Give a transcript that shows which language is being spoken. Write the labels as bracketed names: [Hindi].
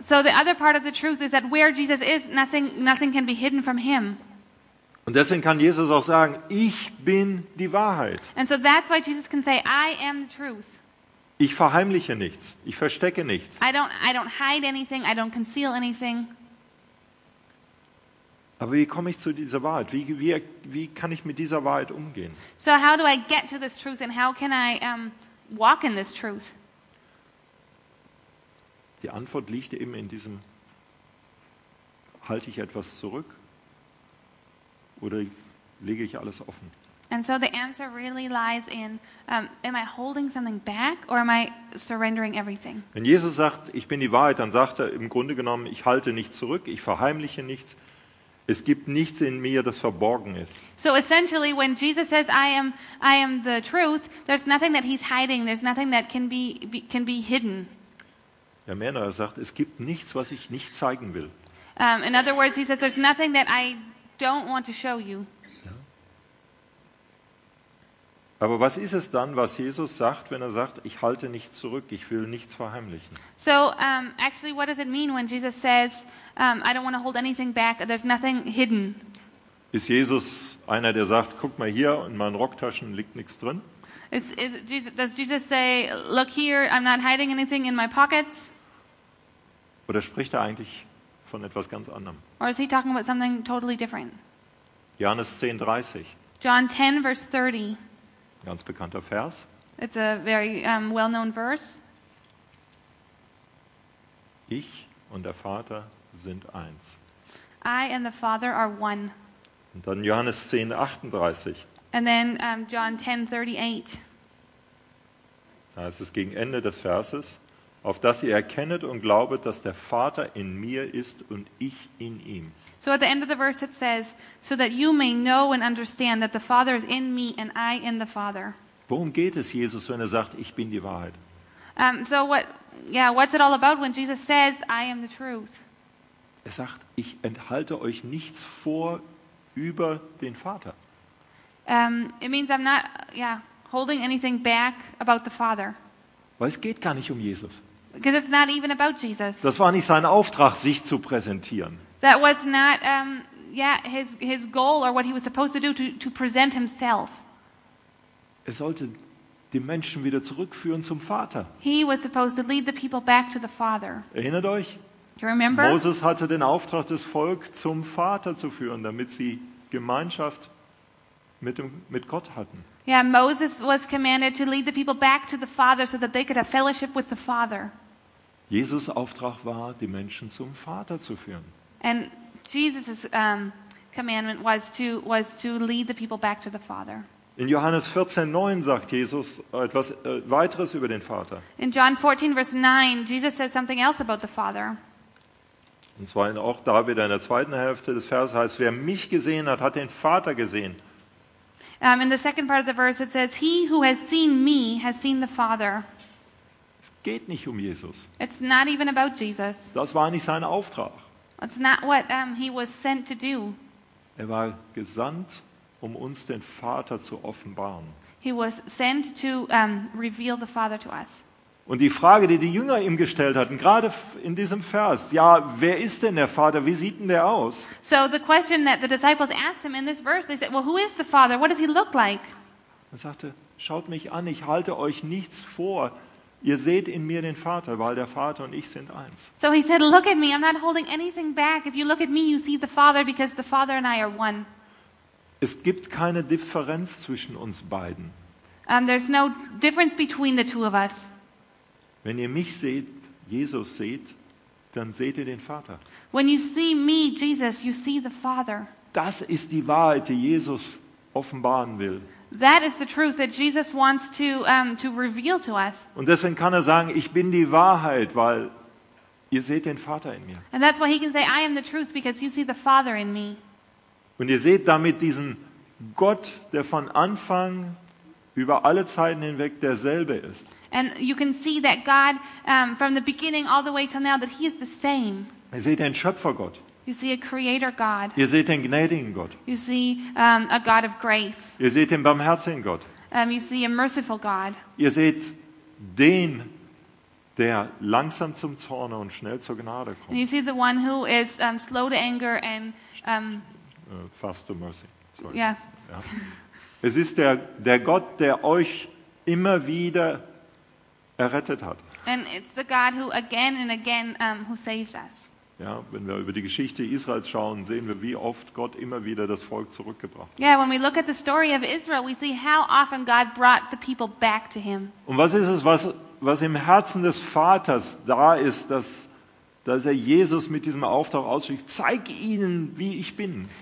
[English] So the other part of the truth is that where Jesus is, nothing can be hidden from him. [German] Und deswegen kann Jesus auch sagen, ich bin die Wahrheit. [English] And so that's why Jesus can say, I am the truth. [German] Ich verheimliche nichts. Ich verstecke nichts. [English] I don't hide anything. I don't conceal anything. [German] Aber wie komme ich zu dieser Wahrheit? Wie kann ich mit dieser Wahrheit umgehen? [English] So how do I get to this truth and how can I walk in this truth? [German] Die Antwort liegt eben in diesem: Halte ich etwas zurück oder lege ich alles offen? [English] And so the answer really lies in am I holding something back or am I surrendering everything? [German] Wenn Jesus sagt, ich bin die Wahrheit, dann sagt er im Grunde genommen, ich halte nichts zurück, ich verheimliche nichts. Es gibt nichts in mir, das verborgen ist. [English] So essentially when Jesus says I am the truth, there's nothing that he's hiding, there's nothing that can be hidden. [German] Ja, mehr noch, er sagt, es gibt nichts, was ich nicht zeigen will. [English] In other words, he says there's nothing that I don't want to show you. [German] Aber was ist es dann, was Jesus sagt, wenn er sagt, ich halte nichts zurück, ich will nichts verheimlichen? [English] So, actually, what does it mean when Jesus says, I don't want to hold anything back, there's nothing hidden? [German] Ist Jesus einer, der sagt, guck mal hier, in meinen Rocktaschen liegt nichts drin? [English] Does Jesus say, look here, I'm not hiding anything in my pockets? [German] Oder spricht er eigentlich von etwas ganz anderem? [English] Or is he talking about something totally different? [German] Johannes 10:30. [English] John 10, verse 30. [German] Ganz bekannter Vers. [English] It's a very well-known verse. [German] Ich und der Vater sind eins. [English] I and the Father are one. [German] Und dann Johannes 10:38. [English] And then John 10:38. [German] Da ist es gegen Ende des Verses, auf dass ihr erkennet und glaubet, dass der Vater in mir ist und ich in ihm. [English] So at the end of the verse it says, so that you may know and understand that the Father is in me and I in the Father. [German] Worum geht es Jesus, wenn er sagt, ich bin die Wahrheit? [English] What's it all about when Jesus says, I am the truth? [German] Er sagt, ich enthalte euch nichts vor über den Vater. [English] It means I'm not holding anything back about the Father. [German] Weil es geht gar nicht um Jesus. [English] Because it's not even about Jesus. [German] Das war nicht sein Auftrag, sich zu präsentieren. [English] That was not his goal or what he was supposed to do, to present himself. [German] Er sollte die Menschen wieder zurückführen zum Vater. [English] He was supposed to lead the people back to the Father. [German] Erinnert euch? [English] Do you remember? [German] Moses hatte den Auftrag, das Volk zum Vater zu führen, damit sie Gemeinschaft mit Gott hatten. [English] Yeah, Moses was commanded to lead the people back to the Father so that they could have fellowship with the Father. [German] Jesus' Auftrag war, die Menschen zum Vater zu führen. [English] And Jesus' commandment was to lead the people back to the Father. [German] In Johannes 14,9 sagt Jesus etwas weiteres über den Vater. [English] In John 14, verse 9, Jesus says something else about the Father. [German] Und zwar auch da wieder in der zweiten Hälfte des Verses heißt, wer mich gesehen hat, hat den Vater gesehen. [English] In the second part of the verse it says, he who has seen me has seen the Father. [German] Es geht nicht um Jesus. [English] It's not even about Jesus. [German] Das war nicht sein Auftrag. [English] It's not what he was sent to do. [German] Er war gesandt, um uns den Vater zu offenbaren. [English] He was sent to reveal the Father to us. [German] Und die Frage, die die Jünger ihm gestellt hatten, gerade in diesem Vers, ja, wer ist denn der Vater? Wie sieht denn der aus? [English] So the question that the disciples asked him in this verse, they said, well, who is the Father? What does he look like? [German] Er sagte, schaut mich an, ich halte euch nichts vor. Ihr seht in mir den Vater, weil der Vater und ich sind eins. [English] So he said, look at me, I'm not holding anything back. If you look at me, you see the Father, because the Father and I are one. [German] Es gibt keine Differenz zwischen uns beiden. [English] There's no difference between the two of us. [German] Wenn ihr mich seht, Jesus seht, dann seht ihr den Vater. [English] When you see me, Jesus, you see the Father. [German] Das ist die Wahrheit, die Jesus offenbaren will. [English] That is the truth that Jesus wants to reveal to us. [German] Und deswegen kann er sagen, ich bin die Wahrheit, weil ihr seht den Vater in mir. [English] And that's why he can say, I am the truth, because you see the Father in me. [German] Und ihr seht damit diesen Gott, der von Anfang über alle Zeiten hinweg derselbe ist. [English] And you can see that God from the beginning all the way till now, that he is the same. [German] Ihr seht den Schöpfergott. [English] You see a creator God. [German] Ihr seht den gnädigen Gott. [English] You see a God of grace. [German] Ihr seht den barmherzigen Gott. [English] You see a merciful God. [German] Ihr seht den, der langsam zum Zorne und schnell zur Gnade kommt. [English] And you see the one who is slow to anger and fast to mercy. Sorry. Yeah. [German] Ja. Es ist der Gott, der euch immer wieder errettet hat. [English] And it's the God who again and again who saves us. [German] Ja, wenn wir über die Geschichte Israels schauen, sehen wir, wie oft Gott immer wieder das Volk zurückgebracht hat. [English] Yeah, when we look at the story of Israel, we see how often God brought the people back to him. [German] Und was ist es, was im Herzen des Vaters da ist, dass er Jesus mit diesem Auftrag ausschickt, zeig ihnen, wie ich bin.